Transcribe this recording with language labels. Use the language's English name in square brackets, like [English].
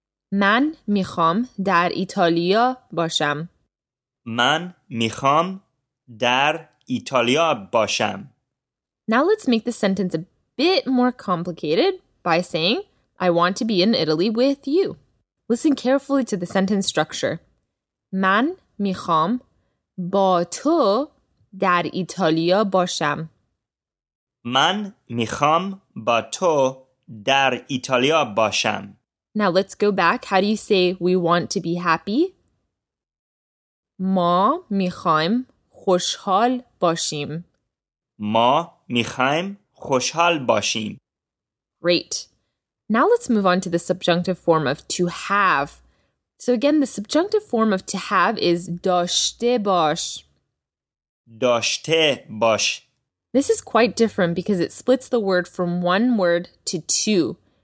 [Persian] Man mikham dar Italia basham. Man mikham dar Italia basham. [English] Now let's make the sentence a bit more complicated by saying, I want to be in Italy with you. Listen carefully to the sentence structure. [Persian] من میخوام با تو در ایتالیا باشم. من میخوام با تو در ایتالیا باشم. [English] Now let's go back. How do you say we want to be happy? [Persian] ما میخوایم خوشحال باشیم. ما میخوایم خوشحال باشیم. [English] Great. Now let's move on to the subjunctive form of to have. So again, the subjunctive form of to have is داشته باش. [Persian] داشته باش. [English] This is quite different because it splits the word from one word to two.